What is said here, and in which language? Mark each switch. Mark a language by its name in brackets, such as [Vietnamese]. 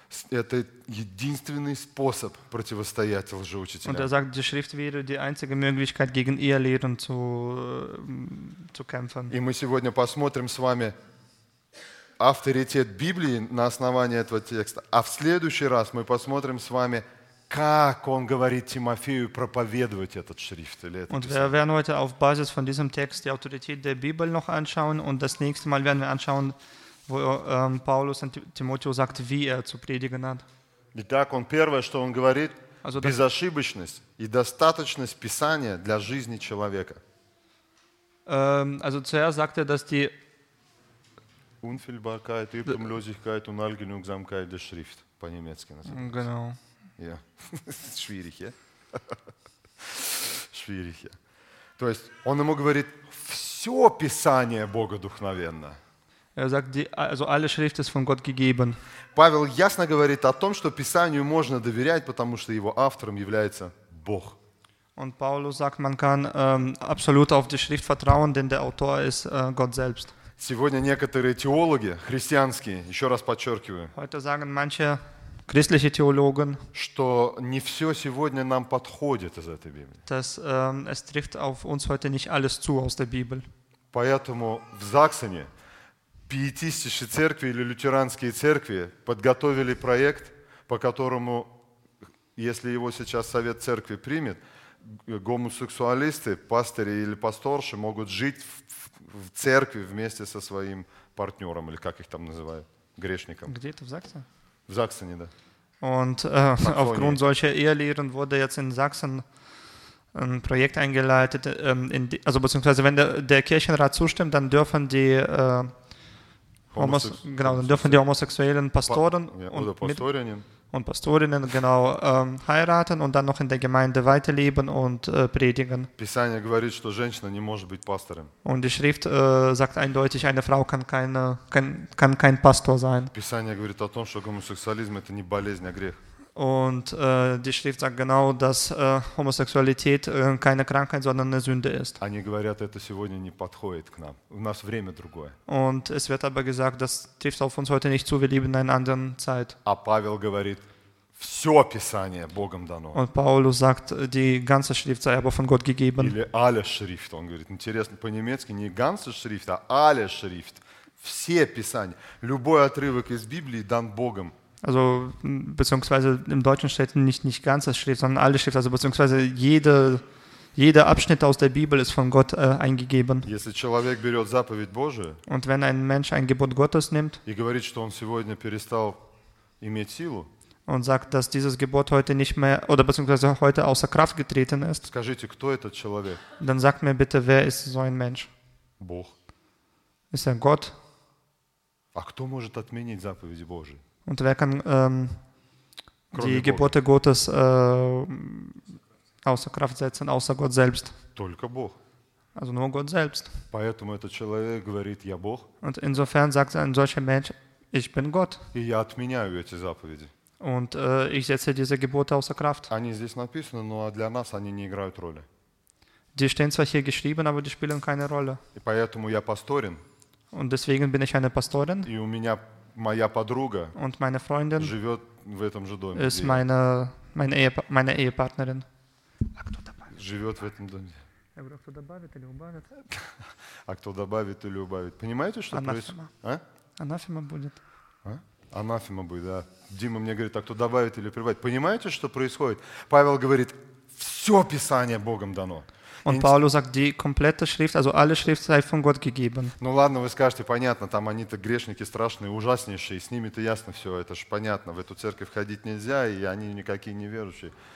[Russian] Это единственный способ противостоять лжеучителям. [German] Und er sagt, die Schrift wäre die einzige Möglichkeit, gegen ihr Lehren zu kämpfen. [Russian] И мы сегодня посмотрим с вами авторитет Библии на основании этого текста. А в следующий раз мы посмотрим с вами, как он говорит Тимофею проповедовать этот шрифт или это. [German] Und wir werden heute auf Basis von diesem Text die Autorität der Bibel noch anschauen und das nächste Mal werden wir anschauen, wo Paulus und Timotheus sagt, wie er zu predigen hat. [Russian] Итак, он первое, что он говорит, also, безошибочность и достаточность Писания для жизни человека. [German] Also zuerst sagt er, dass die Unfehlbarkeit, Irrtumlosigkeit und Allgenügsamkeit der Schrift. [Russian] По-немецки называется. [German] Genau. Ja. Schwierig, ja? Schwierig, ja. [Russian] То есть, он ему говорит, все Писание Богодухновенно. [German] Er sagt, also alle Schrift ist von Gott gegeben. [Russian] Павел ясно говорит о том, что Писанию можно доверять, потому что его автором является Бог. [German] Und Paulus sagt, man kann absolut auf die Schrift vertrauen, denn der Autor ist Gott selbst. [Russian] Сегодня некоторые теологи христианские, еще раз подчеркиваю, [German] heute sagen manche christliche Theologen, [Russian] что не все сегодня нам подходит из этой Библии. [German] Dass es trifft auf uns heute nicht alles zu aus der Bibel. [Russian] Поэтому в Заксоне пиетистische церкви или лютеранские церкви подготовили проект, по которому, если его сейчас совет церкви примет, гомосексуалисты, пастыри или пасторши могут жить в церкви вместе со своим партнером, или как их там называют, грешником. Где это, в Заксоне? В Заксоне, да. [German] Und aufgrund solcher Ehelehren wurde jetzt in Sachsen ein Projekt eingeleitet, also beziehungsweise wenn der Kirchenrat zustimmt, dann dürfen die dann dürfen die homosexuellen Pastoren und Pastorinnen heiraten und dann noch in der Gemeinde weiterleben und predigen. [Russian] Писание говорит, что женщина не может быть пастором. [German] Und die Schrift sagt eindeutig, eine Frau kann kein Pastor sein. [Russian] Писание говорит о том, что гомосексуализм это не болезнь, а грех. [German] Und die Schrift sagt genau, dass Homosexualität keine Krankheit, sondern eine Sünde ist. [Russian] Они говорят, это сегодня не подходит к нам. У нас время другое. [German] Und es wird aber gesagt, das trifft auf uns heute nicht zu, wir leben in einer anderen Zeit. [Russian] А Павел говорит, все Писание Богом дано. [German] Und Paulus sagt, die ganze Schrift sei aber von Gott gegeben. Или alle Schrift, [Russian] он говорит. Интересно, по-немецки не [German] ganze Schrift, [Russian] а [German] alle Schrift. [Russian] Все Писание. Любой отрывок из Библии дан Богом. [German] Also beziehungsweise im Deutschen steht nicht ganze Schrift, sondern alle Schrift, also beziehungsweise jeder Abschnitt aus der Bibel ist von Gott eingegeben. [Russian] Если человек берет заповедь Божию, [German] und wenn ein Mensch ein Gebot Gottes nimmt [Russian] и говорит, что он сегодня перестал иметь силу, [German] und sagt, dass dieses Gebot heute nicht mehr oder beziehungsweise heute außer Kraft getreten ist, [Russian] скажите, кто этот человек? [German] Dann sagt mir bitte, wer ist so ein Mensch? [Russian] Бог. [German] Ist er Gott? [Russian] А кто может отменить заповеди Божии? [German] Und wer kann die Gebote Gottes außer Kraft setzen, außer Gott selbst? [Russian] Только Бог. [German] Also nur Gott selbst. [Russian] Поэтому этот человек говорит, я Бог. [German] Und insofern sagt ein solcher Mensch, ich bin Gott. [Russian] И я отменяю эти заповеди. [German] Und ich setze diese Gebote außer Kraft. [Russian] Они здесь написаны, но для нас они не играют роли. [German] Die stehen zwar hier geschrieben, aber die spielen keine Rolle. [Russian] И поэтому я пасторин. [German] Und deswegen bin ich eine Pastorin. [Russian] И у меня моя подруга [German] und meine Freundin [Russian] живет в этом же доме. [German] Ist meine Ehepartnerin. [Russian] А кто добавит? Живет в этом доме. Я говорю, кто добавит или убавит? А кто добавит или убавит? Понимаете, что анафема происходит? Анафема будет. Анафема будет, да. Дима мне говорит, а кто добавит или прибавит? Понимаете, что происходит? Павел говорит, все Писание Богом дано. [German] Und Paulus sagt, die komplette Schrift, also alle Schrift sei von Gott gegeben. [Russian] Ну ладно, вы скажете, понятно, там они-то грешники страшные, ужаснейшие, с ними-то ясно все, это же понятно, в эту церковь ходить нельзя, и они никакие не верующие.